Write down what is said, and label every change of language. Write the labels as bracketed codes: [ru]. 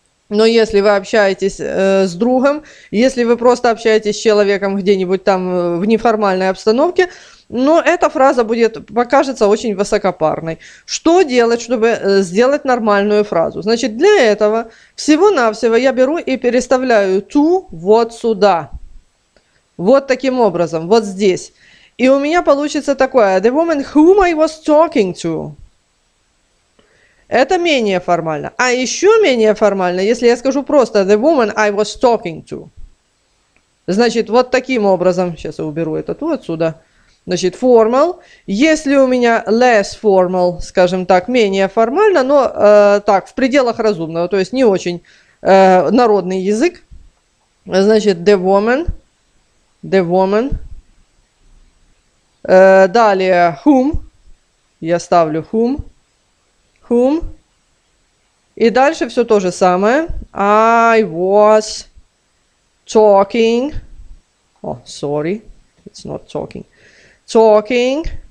[ru] Но если вы общаетесь с другом, если вы просто общаетесь с человеком где-нибудь там в неформальной обстановке, но эта фраза будет, покажется очень высокопарной. Что делать, чтобы сделать нормальную фразу? Значит, для этого всего-навсего я беру и переставляю to вот сюда. Вот таким образом, вот здесь. И у меня получится такое. [en] The woman whom I was talking to. [ru] Это менее формально. А еще менее формально, если я скажу просто [en] the woman I was talking to. [ru] Значит, вот таким образом. Сейчас я уберу это to отсюда. Значит, formal. Если у меня less formal, скажем так, менее формально, но так, в пределах разумного, то есть не очень народный язык. Значит, [en] the woman. [ru] Далее, whom. Я ставлю whom. Whom. И дальше все то же самое. [en] I was talking. Oh, sorry. It's not talking. Talking.